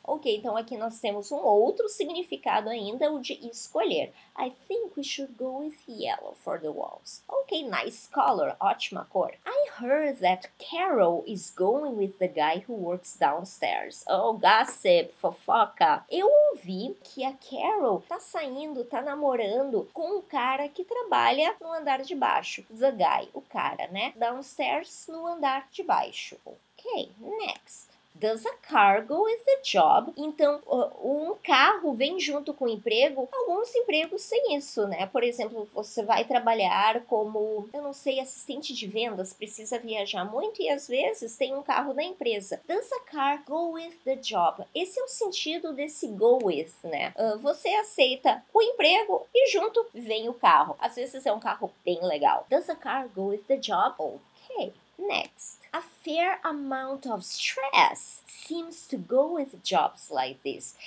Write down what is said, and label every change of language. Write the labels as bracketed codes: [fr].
[pt] Ok, então aqui nós temos um outro significado ainda, o de escolher. [en] I think we should go with yellow for the walls. Ok, nice color, [pt] ótima cor. [en] I heard that Carol is going with the guy who works downstairs. Oh, gossip, fofoca. [pt] Eu ouvi que a Carol tá saindo, tá namorando com o cara que trabalha no andar de baixo. [en] The guy, [pt] o cara, né? Downstairs, no andar de baixo. [en] Ok, next. Does a car go with the job? [pt] Então, um carro vem junto com o emprego? Alguns empregos têm isso, né? Por exemplo, você vai trabalhar como, eu não sei, assistente de vendas, precisa viajar muito e às vezes tem um carro na empresa. [en] Does a car go with the job? [pt] Esse é o sentido desse [en] go with, né? [pt] Você aceita o emprego e junto vem o carro. Às vezes é um carro bem legal. [en] Does a car go with the job? [pt] Ok. [en] Next, a fair amount of stress seems to go with jobs like this.